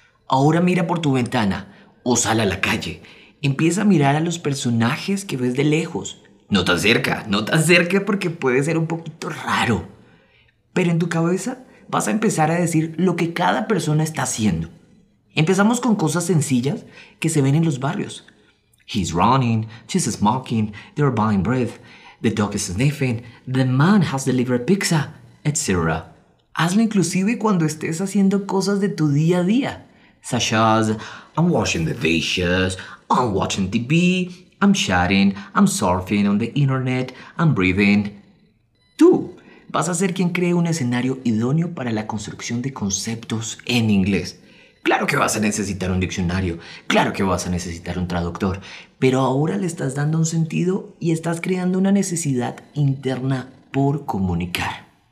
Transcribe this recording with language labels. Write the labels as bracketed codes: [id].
[es] Ahora mira por tu ventana o sal a la calle. Empieza a mirar a los personajes que ves de lejos. No tan cerca, no tan cerca porque puede ser un poquito raro. Pero en tu cabeza vas a empezar a decir lo que cada persona está haciendo. Empezamos con cosas sencillas que se ven en los barrios. [en] He's running, she's smoking, they're buying bread, the dog is sniffing, the man has delivered pizza, etc. [es] Hazlo inclusive cuando estés haciendo cosas de tu día a día. [en] Such as, I'm washing the dishes, I'm watching TV, I'm chatting, I'm surfing on the internet, I'm breathing. [es] Tú vas a ser quien cree un escenario idóneo para la construcción de conceptos en inglés. Claro que vas a necesitar un diccionario, claro que vas a necesitar un traductor, pero ahora le estás dando un sentido y estás creando una necesidad interna por comunicar.